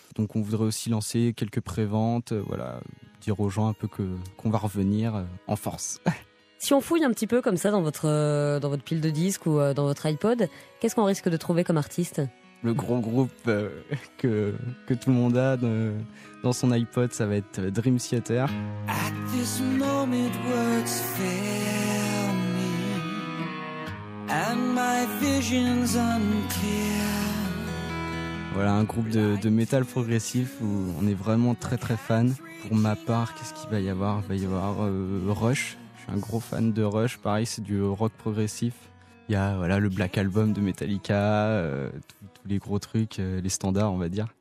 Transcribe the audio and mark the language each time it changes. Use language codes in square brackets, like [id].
[fr] Donc on voudrait aussi lancer quelques préventes, dire aux gens un peu qu'on va revenir en force. Si on fouille un petit peu comme ça dans votre pile de disques ou dans votre iPod, qu'est-ce qu'on risque de trouver comme artiste ? Le gros groupe que tout le monde a dans son iPod, ça va être Dream Theater. [en] At this moment words fail me and my vision's unclear. [fr] Voilà, un groupe de métal progressif où on est vraiment très très fan. Pour ma part, qu'est-ce qu'il va y avoir ? Il va y avoir Rush. Je suis un gros fan de Rush. Pareil, c'est du rock progressif. Il y a le Black Album de Metallica, tous les gros trucs, les standards, on va dire.